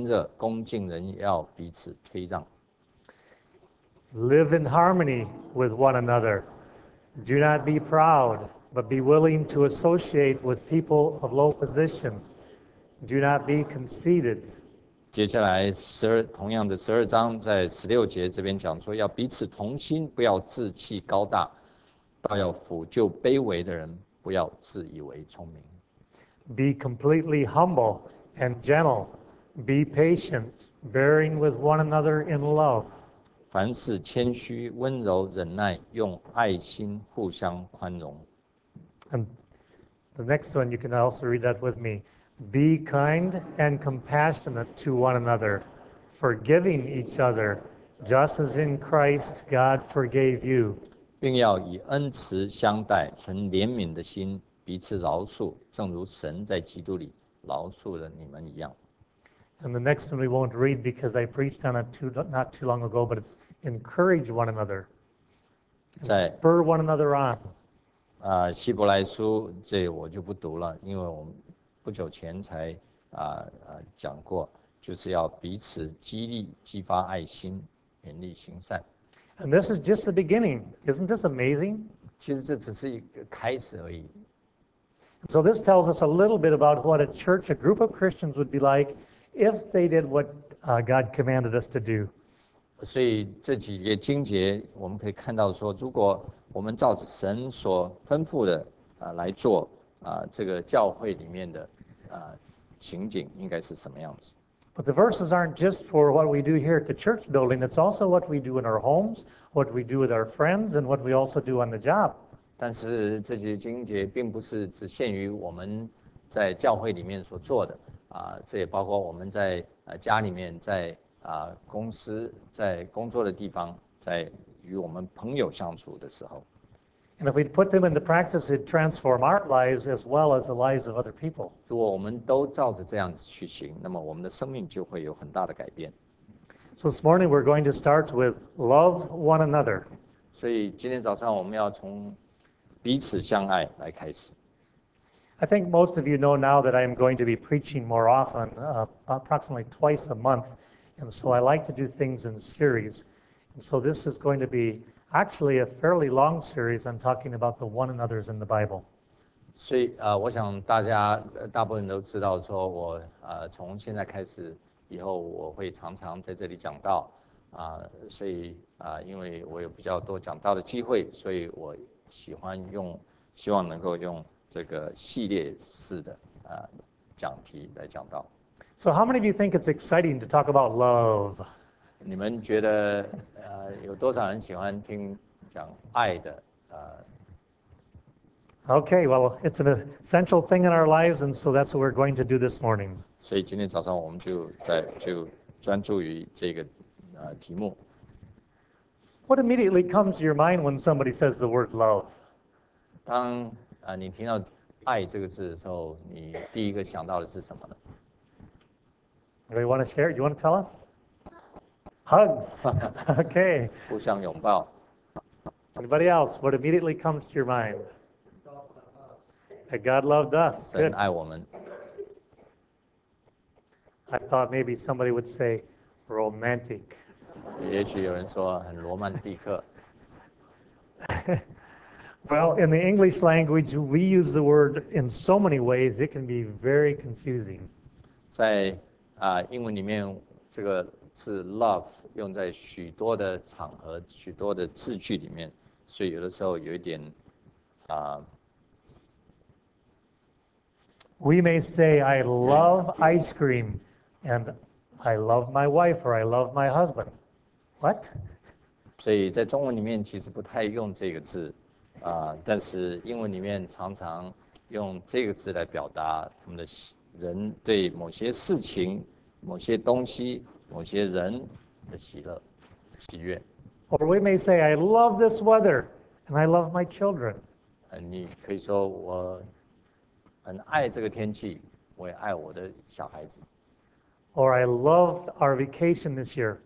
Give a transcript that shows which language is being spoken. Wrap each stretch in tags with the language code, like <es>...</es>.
<zh>在罗马书12章10节，我们这里读到说，爱弟兄要彼此亲热，恭敬人要彼此推让。</zh> <en>Live in harmony with one another. Do not be proud, but be willing to associate with people of low position. Do not be conceited.</en> <zh>接下来十二同样的十二章在十六节这边讲说要彼此同心，不要自气高大，倒要辅救卑微的人，不要自以为聪明。</zh> <en>Be completely humble and gentle. Be patient, bearing with one another in love.</en> <zh>凡事谦虚、温柔、忍耐，用爱心互相宽容。</zh> <en>And the next one, you can also read that with me. Be kind and compassionate to one another, forgiving each other, just as in Christ God forgave you.</en> <zh>并要以恩慈相待，存怜悯的心，彼此饶恕，正如神在基督里饶恕了你们一样。</zh> <en>And the next one we won't read because I preached on it not too long ago, but it's encourage one another, spur one another on.</en> <zh>希伯来书这我就不读了，因为我们不久前才讲过，就是要彼此激励、激发爱心，勉励行善。</zh> <en>And this is just the beginning. Isn't this amazing?</en> <zh>其实这只是一个开始而已。</zh> <en>So this tells us a little bit about what a church, a group of Christians would be like if they did what God commanded us to do.</en> <zh>所以这几个经节我们可以看到说，如果我们照着神所吩咐的来做这个教会里面的情景应该是什么样子。</zh> <en>But the verses aren't just for what we do here at the church building, it's also what we do in our homes, what we do with our friends, and what we also do on the job.</en> <zh>但是这些经节并不是只限于我们在教会里面所做的，这也包括我们在家里面，在公司，在工作的地方，在与我们朋友相处的时候。</zh> <en>And if we put them into practice, it'd transform our lives as well as the lives of other people.</en> <zh>如果我们都照着这样去行，那么我们的生命就会有很大的改变。</zh> <en>So this morning we're going to start with love one another.</en> <zh>所以今天早上我们要从彼此相爱来开始。</zh> <en>I think most of you know now that I am going to be preaching more often, approximately twice a month. And so I like to do things in series. And so this is going to be... Actually, a fairly long series on talking about the one another's in the Bible.</en> <zh>所以我想大家大部分都知道说我从现在开始以后我会常常在这里讲到所以因为我有比较多讲到的机会，所以我希望能够用这个系列式的讲题来讲到。</zh> <en>So how many of you think it's exciting to talk about love?</en> <zh>你们觉得有多少人喜欢听讲爱的</zh> <en>Okay, well, it's an essential thing in our lives, and so that's what we're going to do this morning.</en> <zh>所以今天早上我们就专注于这个题目。</zh> <en>What immediately comes to your mind when somebody says the word love?</en> <zh>当你听到爱这个字的时候，你第一个想到的是什么呢？</zh> <en>Do you want to share? Do you want to tell us? Hugs. Okay.</en> <zh>互相拥抱。</zh> <en>Anybody else? What immediately comes to your mind? That God loved us.</en> <zh>神爱我们。</zh> <en>I thought maybe somebody would say romantic.</en> <zh>也许有人说很罗曼蒂克。</zh> <en>Well, in the English language, we use the word in so many ways, it can be very confusing.</en> <zh>在英文里面这个是 love 用在许多的场合、许多的字句里面，所以有的时候有一点</zh> <en>We may say I love ice cream, and I love my wife or I love my husband. What?</en> <zh>所以在中文里面其实不太用这个字，但是英文里面常常用这个字来表达他们的人对某些事情、某些东西。某些人的喜乐、喜悦。</zh> <en>Or we may say, I love this weather, and I love my children.</en> <zh>你可以说我很爱这个天气，我也爱我的小孩子。</zh> <en>Or I loved our vacation this year.</en>